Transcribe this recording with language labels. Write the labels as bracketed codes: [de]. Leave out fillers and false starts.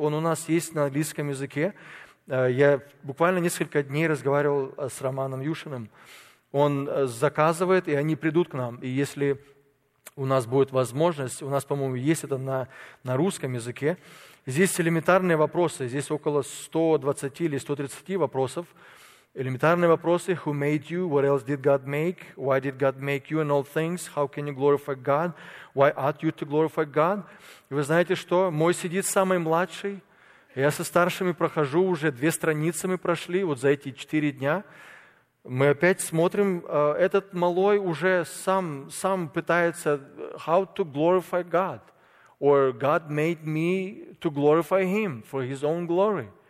[ru] Он у нас есть на английском языке. Я буквально несколько дней разговаривал с Романом Юшиным. Он заказывает, и они придут к нам. И если у нас будет возможность, у нас, по-моему, есть это на русском языке. Здесь элементарные вопросы. Здесь около 120 или 130 вопросов. Элементарные вопросы: [en] who made you, what else did God make, why did God make you and all things, how can you glorify God, why ought you to glorify God. [ru] И вы знаете что, мой сидит самый младший, я со старшими прохожу, уже 2 страницы мы прошли вот за эти 4 дня. Мы опять смотрим, этот малой уже сам пытается [en] how to glorify God, or God made me to glorify him for his own glory.